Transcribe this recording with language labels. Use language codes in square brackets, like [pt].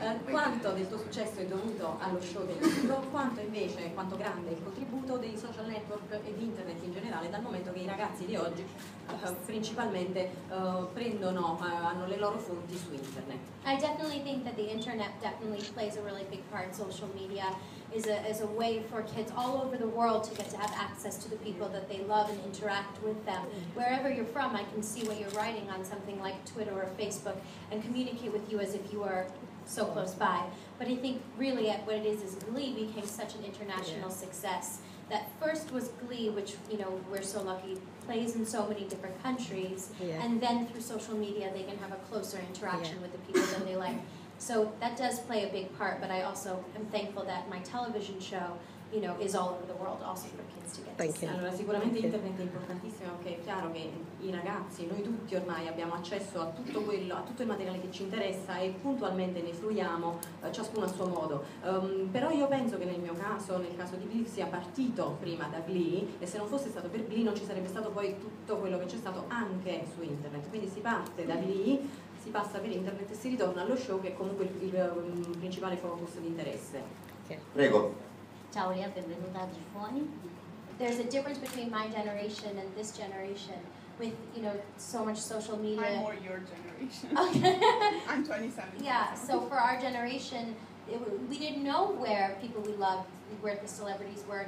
[it] Quanto del tuo successo è dovuto allo show del libro, quanto invece quanto grande è il contributo dei social network e di internet in generale, dal momento che i ragazzi di oggi principalmente prendono, hanno le loro fonti su internet. [en] I definitely think that the internet definitely plays a really big part. Social media is a way for kids all over the world to get to have access to the people that they love and interact with them. Wherever you're from, I can see what you're writing on something like Twitter or Facebook and communicate with you as if you were so close by. But I think really what it is Glee became such an international success. That first was Glee, which, you know, we're so lucky, plays in so many different countries. Yeah. And then through social media, they can have a closer interaction with the people that they like. So that does play a big part, but I also am thankful that my television show, you know, is all over the world, also for kids to get Thank you. [it] Allora, sicuramente internet è importantissimo, perché è chiaro che i ragazzi, noi tutti ormai abbiamo accesso a tutto quello, a tutto il materiale che ci interessa e puntualmente ne fruiamo, ciascuno a suo modo. Però io penso che nel mio caso, nel caso di Glee, sia partito prima da Glee, e se non fosse stato per Glee non ci sarebbe stato poi tutto quello che c'è stato anche su internet. Quindi si parte da Glee, si passa per internet e si ritorna allo show, che è comunque il principale focus di interesse. Okay. Prego. Ciao Lea, benvenuta a Giffoni. [en] There's a difference between my generation and this generation with, you know, so much social media. I'm more your generation. Okay. I'm 27. Yeah, so for our generation, we didn't know where people we loved, where the celebrities were.